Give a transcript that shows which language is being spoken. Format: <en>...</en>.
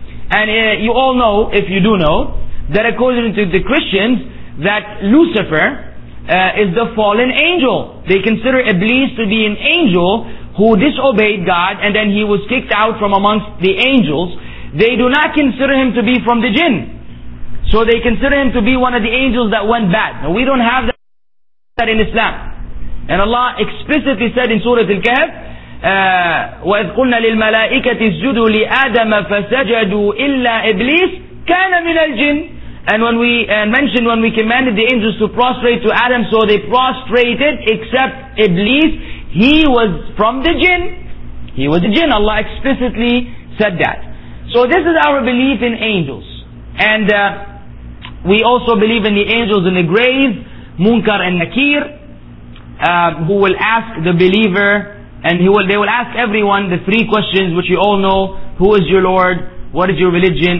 <en>And you all know, if you do know, that according to the Christians, that Lucifer is the fallen angel. They consider Iblis to be an angel who disobeyed God, and then he was kicked out from amongst the angels. they do not consider him to be from the jinn. So they consider him to be one of the angels that went bad. Now we don't have that in Islam. And Allah explicitly said in Surah Al-Kahf,</en> <ar>وَإِذْ قُلْنَا لِلْمَلَائِكَةِ اسْجُدُوا لِآدَمَ فَسَجَدُوا إِلَّا إِبْلِيسَ كَانَ مِنَ الْجِنِّ.</ar> <en>And when we commanded the angels to prostrate to Adam, so they prostrated except Iblis. He was from the jinn. He was a jinn. Allah explicitly said that. So this is our belief in angels. And we also believe in the angels in the grave, Munkar and Nakir, who will ask the believer, and they will ask everyone the three questions which you all know: who is your Lord? What is your religion?</en>